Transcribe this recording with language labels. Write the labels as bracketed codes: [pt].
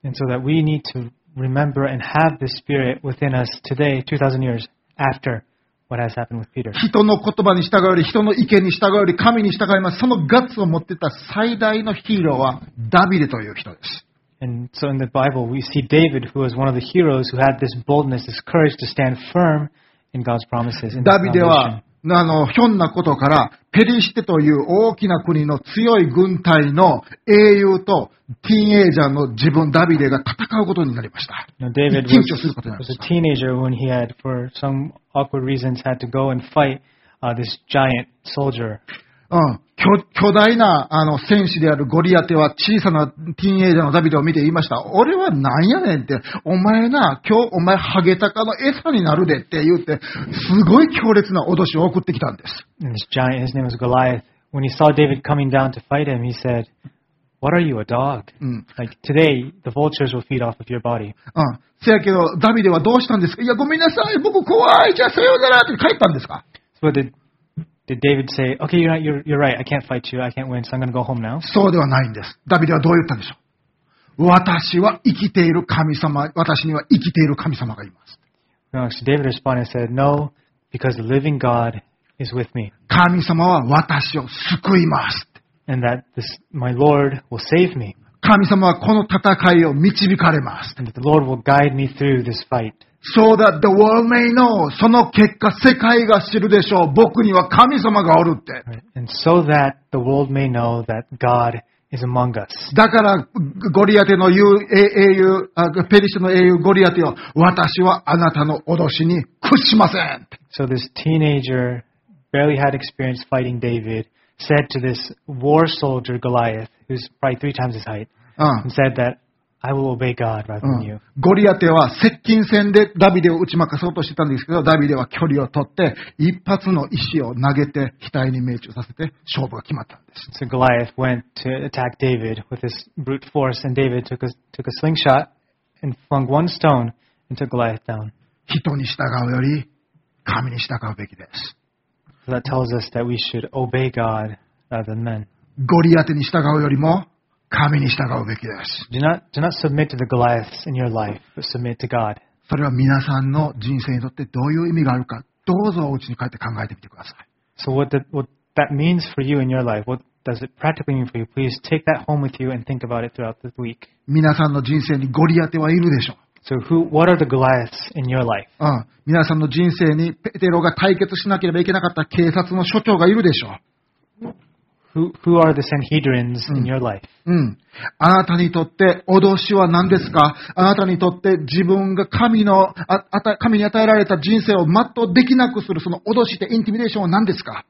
[en] And so that we need to remember and have this spirit within us today, 2000 years after what has happened with Peter. [ja] 人の言葉に従うより人の意見に従うより神に従います。そのガッツを持っていた最大のヒーローはダビデという人です。 [en] And so in the Bible, we see David, who was one of the heroes who had this boldness, this courage to stand firm in God's promises. [ja] ダビデは、ひょんなことから、ペリシテという大きな国の強い軍隊の英雄と、ティーンエイジャーの自分、ダビデが戦うことになりました。 [en] David was a teenager when he had, for some awkward reasons, had to go and fight this giant soldier. [ja] 巨巨大なあの戦士であるゴリアテは小さなティーンエイジャーのダビデを見て言いました。俺はなんやねんって、お前な今日お前ハゲタカの餌になるでって言って、すごい強烈な脅しを送ってきたんです。 [en] And this giant, his name is Goliath. When he saw David coming down to fight him, he said, What are you, a dog? Like, today, the vultures will feed off of your body. [ja] せやけどダビデはどうしたんですか。いやごめんなさい僕怖い、じゃあさようならって帰ったんですか。 [en] So theDid David say, okay, you're right, I can't fight you, I can't win, so I'm going to go home now? [ja] そうではないんです。ダビデはどう言ったんでしょう。私は生きている神様、私には生きている神様がいます。 [en] No, so David responded and said, no, because the living God is with me. [ja] 神様は私を救います。 [en] And that this, my Lord will save me. [ja] 神様はこの戦いを導かれます。 [en] And that the Lord will guide me through this fight. So that the world may know. [ja] その結果世界が知るでしょう。僕には神様がおるって。 [en] And so that the world may know that God is among us. [ja] だからゴリアテの言う英雄、ペリシテの英雄ゴリアテよ、私はあなたの脅しに屈しません。 [en] So this teenager barely had experience fighting David said to this war soldier Goliath, who's probably three times his height, and said thatI will obey God rather than you. [ja] ゴリアテは接近戦でダビデを打ち負かそうとしてたんですけど、ダビデは距離を取って一発の石を投げて額に命中させて勝負が決まったんです。 [en] So Goliath went to attack David with his brute force, and David took a slingshot and flung one stone and took Goliath down. [ja] 人に従うより神に従うべきです。 [en] So that tells us that we should obey God rather than men. [ja] ゴリアテに従うよりも神に従うべきです。 [en] Do not submit to the Goliaths in your life, but submit to God. [ja] それは皆さんの人生にとってどういう意味があるか、どうぞお家に帰って考えてみてください。 [en] So what that means for you in your life, what does it practically mean for you? Please take that home with you and think about it throughout this week. [ja] 皆さんの人生にゴリアテはいるでしょう。 [en] So what are the Goliaths in your life? [ja] 皆さんの人生にペテロが対決しなければいけなかった警察の署長がいるでしょう。 [en] Who are the Sanhedrins in your life? [ja] あなたにとって脅しは何ですか？あなたにとって自分が神に与えられた人生を全うできなくするその脅しってインティミデーションは何ですか？